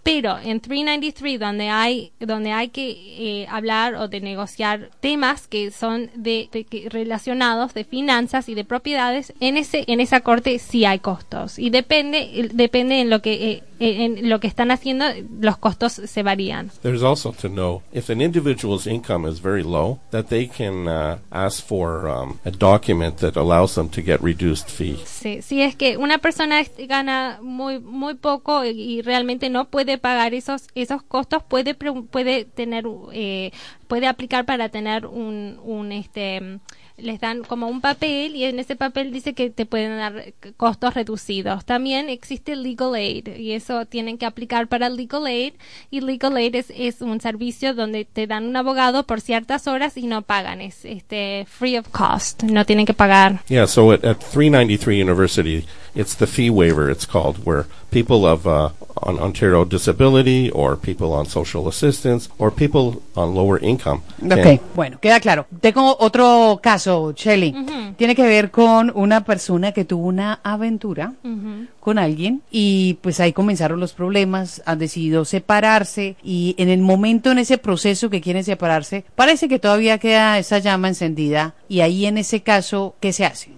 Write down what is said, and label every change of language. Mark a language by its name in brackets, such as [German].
[Spanish] Pero en 393, donde hay que hablar o de negociar temas que son de relacionados de finanzas y de propiedades, en esa corte sí hay costos y depende en lo que están haciendo, los costos se varían. [English] There's also to know if an individual's income is very low, that they can ask for a document that allows them to get reduced fee. [Spanish] Sí, es que una persona gana muy muy poco y realmente no puede pagar esos costos, puede aplicar para tener un les dan como un papel y en ese papel dice que te pueden dar costos reducidos. También existe legal aid y eso tienen que aplicar para legal aid, y legal aid es un servicio donde te dan un abogado por ciertas horas y no pagan, es [English] free of cost, [Spanish] no tienen que pagar. [English] Yeah, so at 393 University, it's the fee waiver, it's called, where people of on Ontario disability or people on social assistance or people on lower income. [Spanish] Okay, bueno, queda claro. Tengo otro caso, Shelley. Tiene que ver con una persona que tuvo una aventura con alguien y pues ahí comenzaron los problemas, han decidido separarse y en el momento, en ese proceso que quieren separarse, parece que todavía queda esa llama encendida, y ahí en ese caso, ¿qué se hace?